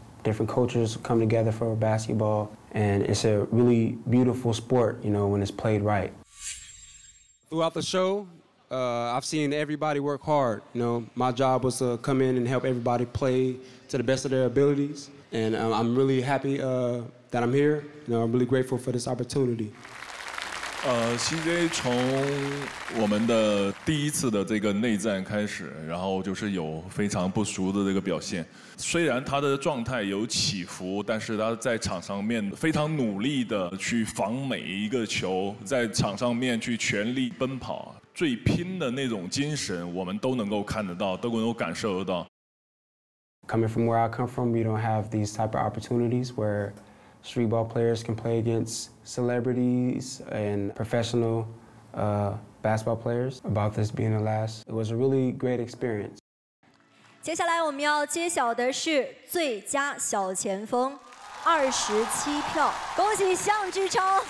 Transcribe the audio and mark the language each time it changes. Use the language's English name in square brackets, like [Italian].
[English] Different cultures come together for basketball, and it's a really beautiful sport, you know, when it's played right. Throughout the show, I've seen everybody work hard. You know, my job was to come in and help everybody play to the best of their abilities, and I'm really happy that I'm here. You know, I'm really grateful for this opportunity. [Chinese] CJ 从我们的第一次的这个内战开始，然后就是有非常不俗的这个表现。虽然他的状态有起伏，但是他在场上面非常努力的去防每一个球，在场上面去全力奔跑，最拼的那种精神，我们都能够看得到，都能够感受得到。 [English] Coming from where I come from, we don't have these type of opportunities where street ball players can play against. Celebrities and professional basketball players about this being the last. It was a really great experience. [Chinese] 接下来我们要揭晓的是最佳小前锋，27票，恭喜向志超。